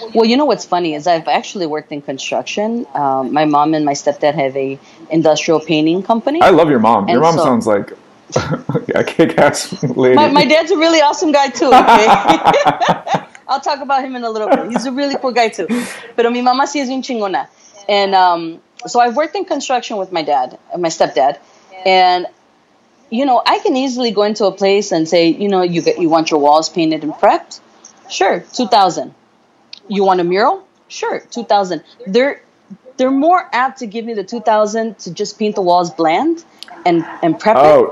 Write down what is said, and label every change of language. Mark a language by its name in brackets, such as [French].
[English] Well, you know what's funny is I've actually worked in construction. My mom and my stepdad have a industrial painting company. I love your mom. Your mom sounds like a kick-ass lady. My dad's a really awesome guy too. Okay? I'll talk about him in a little bit. He's a really cool guy too. [Spanish] Pero mi mamá sí es bien chingona. [English] And so I've worked in construction with my dad, my stepdad. And, you know, I can easily go into a place and say, you know, you want your walls painted and prepped? Sure, $2,000. You want a mural? Sure, $2,000. They're more apt to give me the $2,000 to just paint the walls bland and prep it.